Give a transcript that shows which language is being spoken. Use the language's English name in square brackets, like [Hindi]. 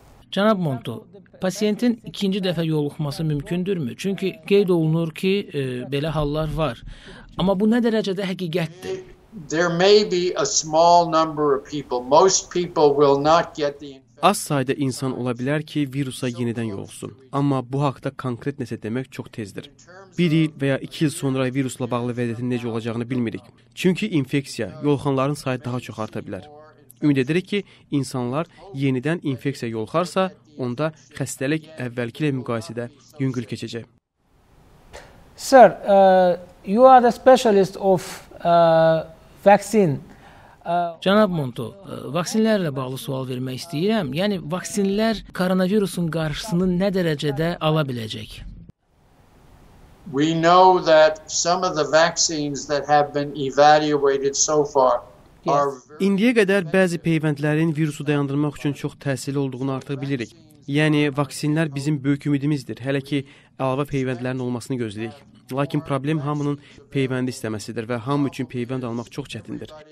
[Azerbaijani] Cənab Monto, pasiyentin ikinci dəfə yoluxması mümkündürmü? Çünki qeyd olunur ki, belə hallar var. Amma bu nə dərəcədə həqiqətdir? [English] There may be a small number of people. Most people will not get the infection. [Azerbaijani] Az sayda insan ola bilər ki, virusa yenidən yoluxsun. Amma bu haqda konkret nəsə demək çox tezdir. Bir il və ya iki il sonra virusla bağlı vəziyyətin necə olacağını bilmirik. Çünki infeksiya, yoluxanların sayı daha çox arta bilər. Ümid edirik ki, insanlar yenidən infeksiya yoluxarsa, onda xəstəlik əvvəlki ilə müqayisədə yüngül keçəcək. [English] Sir, you are the specialist of vaccine. [Azerbaijani] Cənab Monto, vaksinlərlə bağlı sual vermək istəyirəm. Yəni, vaksinlər koronavirusun qarşısını nə dərəcədə ala biləcək? [English] We know that some of the vaccines that have been evaluated so far are [Azerbaijani] İndiyə qədər bəzi peyvəndlərin virusu dayandırmaq üçün çox təsirli olduğunu artıq bilirik. Yəni vaksinlər bizim böyük ümidimizdir. Hələ ki əlavə peyvəndlərin olmasını gözləyirik. Lakin problem hamının peyvəndi istəməsidir və hamı üçün peyvənd almaq çox çətindir.